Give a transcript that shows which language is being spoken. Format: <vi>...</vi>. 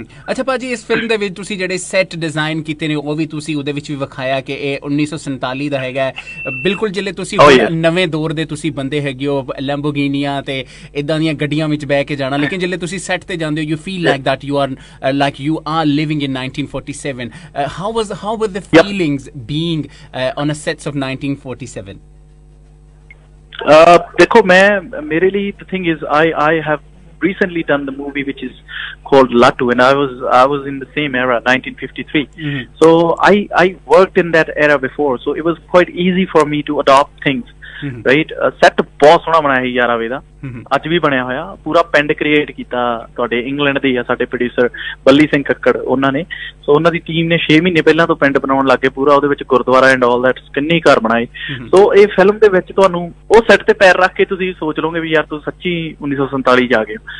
<pa>ਅੱਛਾ ਭਾਜੀ, ਇਸ ਫਿਲਮ ਦੇ ਵਿੱਚ ਤੁਸੀਂ ਜਿਹੜੇ ਸੈੱਟ ਡਿਜ਼ਾਈਨ ਕੀਤੇ ਨੇ ਉਹ ਵੀ ਤੁਸੀਂ ਉਹਦੇ ਵਿੱਚ ਵੀ ਵਿਖਾਇਆ ਕਿ ਇਹ 1947 ਦਾ ਹੈਗਾ, ਬਿਲਕੁਲ ਜਿਹੜੇ ਤੁਸੀਂ ਨਵੇਂ ਦੌਰ ਦੇ ਤੁਸੀਂ ਬੰਦੇ ਹੈਗੇ ਹੋ, ਲੈਂਬੋਗੀਨੀਆਂ ਤੇ ਇਦਾਂ ਦੀਆਂ ਗੱਡੀਆਂ ਵਿੱਚ ਬਹਿ ਕੇ ਜਾਣਾ, ਲੇਕਿਨ ਜਿਹੜੇ ਤੁਸੀਂ ਸੈੱਟ ਤੇ ਜਾਂਦੇ ਹੋ,</pa> <en>You feel like that you are like you are living in 1947, how were the feelings being on a sets of 1947?</en> <pa>ਦੇਖੋ ਮੈਂ, ਮੇਰੇ ਲਈ</pa> <en>The thing is, I I have recently done the movie which is called Lattu, and I was in the same era, 1953. Mm-hmm. So I worked in that era before, so it was quite easy for me to adopt things. Mm-hmm.</en> <pa>Right, set ਬਹੁਤ ਸੋਹਣਾ ਬਣਾਇਆ ਸੀ ਯਾਰ ਅਵੇ ਦਾ, ਅੱਜ ਵੀ ਬਣਿਆ ਹੋਇਆ, ਪੂਰਾ ਪਿੰਡ ਕ੍ਰੀਏਟ ਕੀਤਾ ਤੁਹਾਡੇ ਇੰਗਲੈਂਡ ਦੇ ਆ ਸਾਡੇ ਪ੍ਰੋਡਿਊਸਰ ਬੱਲੀ ਸਿੰਘ ਕੱਕੜ ਉਹਨਾਂ ਨੇ, ਸੋ ਉਹਨਾਂ ਦੀ ਟੀਮ ਨੇ 6 ਮਹੀਨੇ ਪਹਿਲਾਂ ਤੋਂ ਪਿੰਡ ਬਣਾਉਣ ਲੱਗ ਗਏ ਪੂਰਾ, ਉਹਦੇ ਵਿੱਚ ਗੁਰਦੁਆਰਾ</pa> <en>and all that,</en> <pa>ਕਿੰਨੇ ਘਰ ਬਣਾਏ. ਸੋ ਇਹ ਫਿਲਮ ਦੇ ਵਿੱਚ ਤੁਹਾਨੂੰ ਉਹ ਸੈੱਟ ਤੇ ਪੈਰ ਰੱਖ ਕੇ ਤੁਸੀਂ ਸੋਚ ਲਓਗੇ ਵੀ ਯਾਰ ਤੂੰ ਸੱਚੀ 1947 ਜਾ ਗਏ.</pa>